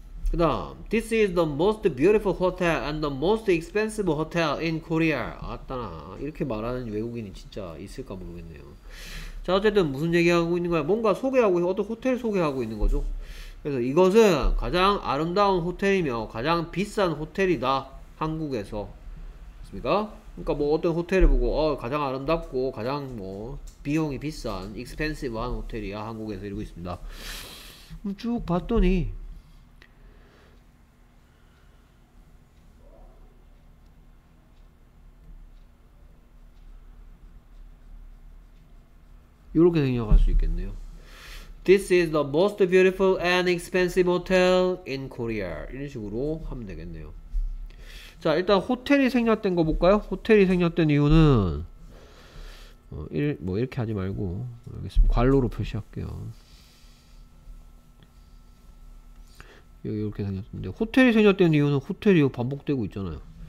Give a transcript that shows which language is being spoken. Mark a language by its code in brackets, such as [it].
[ko] 그 다음 [en] This is the most beautiful hotel and the most expensive hotel in Korea. [ko] 아따나 이렇게 말하는 외국인이 진짜 있을까 모르겠네요. 자 어쨌든 무슨 얘기하고 있는 거야? 뭔가 소개하고 어떤 호텔 소개하고 있는 거죠. 그래서 이것은 가장 아름다운 호텔이며 가장 비싼 호텔이다 한국에서. 맞습니까? 그러니까 뭐 어떤 호텔을 보고 가장 아름답고 가장 뭐 비용이 비싼 expensive한 호텔이야 한국에서 이러고 있습니다. 쭉 봤더니 요렇게 생략할 수 있겠네요. [en] This is the most beautiful and expensive hotel in Korea. [ko] 이런 식으로 하면 되겠네요. 자, 일단 호텔이 생략된 거 볼까요? 호텔이 생략된 이유는 뭐 이렇게 하지 말고 알겠습니다. 괄호로 표시할게요. 요렇게 생겼는데 호텔이 생략된 이유는 호텔이 반복되고 있잖아요.